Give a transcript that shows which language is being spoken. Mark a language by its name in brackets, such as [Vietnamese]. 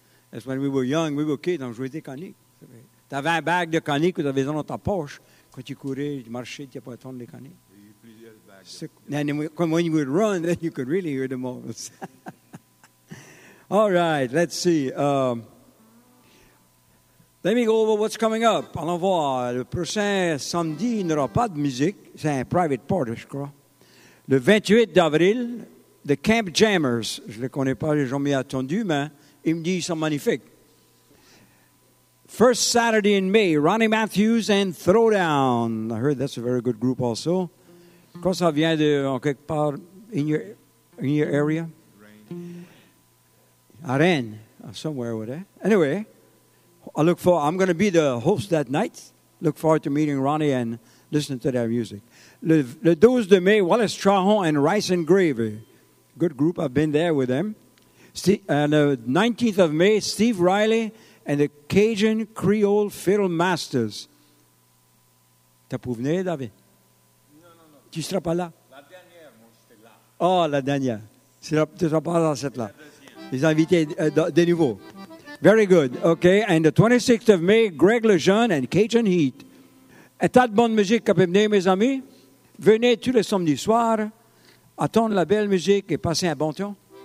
[English] That's when we were young, we were kids, [French] on jouait des caniques. Tu avais un bag de caniques que tu avais dans ta poche. Quand tu courais, tu marchais, tu n'as pas attendu les caniques. [English] When you would run, then you could really hear the moments. All right, let's see. Let me go over what's coming up. [French] Allons voir. Le prochain samedi, il n'y aura pas de musique. C'est un [English] private party, [French] je crois. Le 28 d'avril, The Camp Jammers. Je ne les connais pas, les gens m'y attendus, mais ils me disent qu'ils sont magnifiques. [English] First Saturday in May, Ronnie Matthews and Throwdown. I heard that's a very good group also. [French] Je crois que ça vient de quelque part [English] in your area. Rain. À Rennes, somewhere over there. Anyway, I'm going to be the host that night. Look forward to meeting Ronnie and listening to their music. [French] Le 12 de mai, [English] Wallace Trahan and Rice and Gravy. Good group, I've been there with them. And the 19th of May, Steve Riley and the Cajun Creole Fiddle Masters. [French] T'as pu venir, David? Tu ne seras pas là? La dernière, moi, j'étais là. Oh, la dernière. Tu ne seras pas dans cette là. Les invités de nouveau. [English] Very good. OK. And the 26th of May, Greg Lejeune and Cajun Heat. [French] Un tas de bonne musique qui peut venir, mes amis. Venez tous les samedis soirs, attendre la belle musique et passer un bon temps.